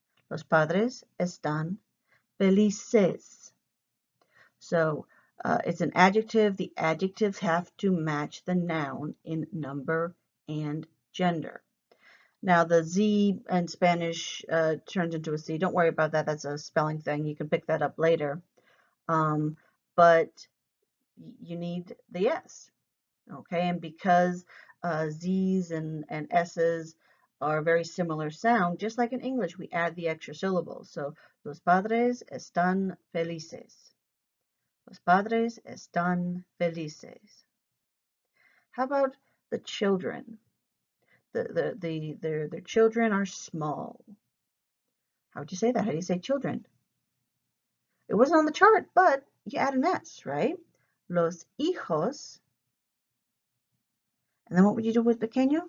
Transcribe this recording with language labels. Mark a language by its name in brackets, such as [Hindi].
[Spanish] Los padres están felices. [English] So it's an adjective. The adjectives have to match the noun in number and gender. Now, the Z in Spanish turns into a C. Don't worry about that. That's a spelling thing. You can pick that up later. But you need the S, okay? And because Z's and S's are a very similar sound, just like in English, we add the extra syllable. [Spanish] So, los padres están felices. Los padres están felices. [English] How about the children? Their children are small. How would you say that? How do you say children? It wasn't on the chart, but you add an S, right? [Spanish] Los hijos. [English] And then what would you do with pequeño?